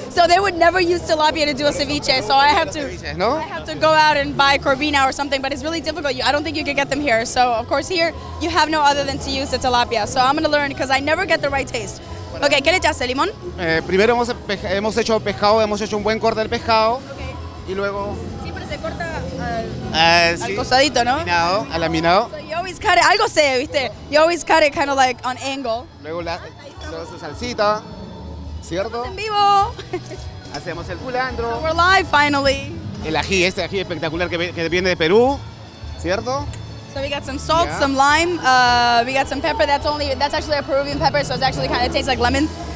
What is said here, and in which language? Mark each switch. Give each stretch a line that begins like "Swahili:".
English: So they would never use tilapia to do a ceviche, so I have to go out and buy corvina or something, but it's really difficult. I don't think you can get them here. So, of course, here you have no other than to use the tilapia. So I'm going to learn because I never get the right taste.
Spanish: Ok, ¿qué le echaste, limón? Primero hemos hecho pescado, hemos hecho un buen corte del pescado. Okay. Y luego... Corta al cosadito, ¿no? Laminado, al laminado.
English: So you always cut it,
Spanish: algo sé, ¿viste?
English: You always cut it kind of like on angle.
Spanish: Luego su salsita, ¿cierto? Estamos en vivo. Hacemos el culantro.
English: So we're live, finally.
Spanish: El ají, este ají espectacular que viene de Perú, ¿cierto?
English: So we got some salt, yeah. Some lime, we got some pepper, that's actually a Peruvian pepper, so it's actually kind of tastes like lemon.